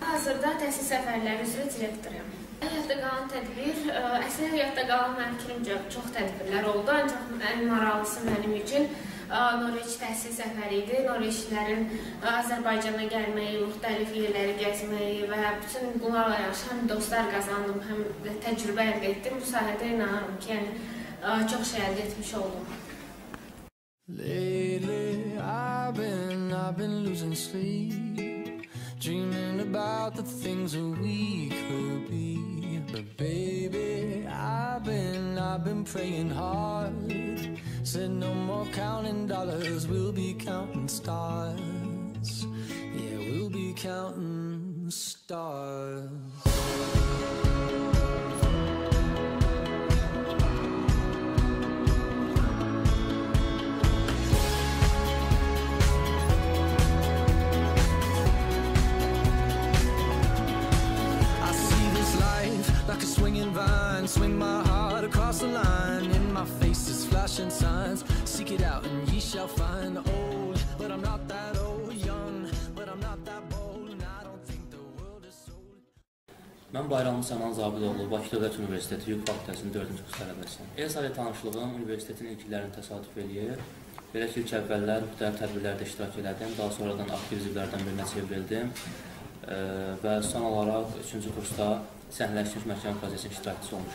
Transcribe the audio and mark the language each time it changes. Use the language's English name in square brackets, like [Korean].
[Azerbaijani] Hazırda təhsil səfərləri üzrə direktoruyam. Həyatda qalan tədbir, əslində həyatda qalan mənim üçün çox tədbirlər oldu, ancaq ən maraqlısı mənim üçün Norveç təhsil səfəri idi. Norveçlilərin Azərbaycana gəlməyi, müxtəlif yerləri gəzməyi və bütün bunlarla yaxşı həm dostlar qazandım, həm də təcrübə əldə etdim. Bu sahədə inanırım ki, yəni, çox şey əldə etmiş oldum. [English] Lately I've been losing sleep, dreaming about the things that we could be. But baby, I've been praying hard, said no more counting dollars, we'll be counting stars. Yeah, we'll be counting stars. Like a swinging vine, swing my heart across the line. In my face is flashing signs. Seek it out and ye shall find. Old, but I'm not that old. Young, but I'm not that bold. And I don't think the world is sold. [Azerbaijani] Mən Bayramlı Sənan Zabidoğlu, Bakı Dövlət Universiteti Hüquq Fakültəsinin 4-cü kurs tələbəsiyəm. ESA-yla tanışlığım universitetin ilk illərini təsadüf eləyir. Belə ki, ilk əvvəllər müxtəlif tədbirlərdə iştirak elədim. Daha sonradan aktiv üzvlərdən birinə çevrildim. Və son olaraq 3-cü kursda səhnələşmiş məhkəmə prosesinin iştirakçısı olmuş.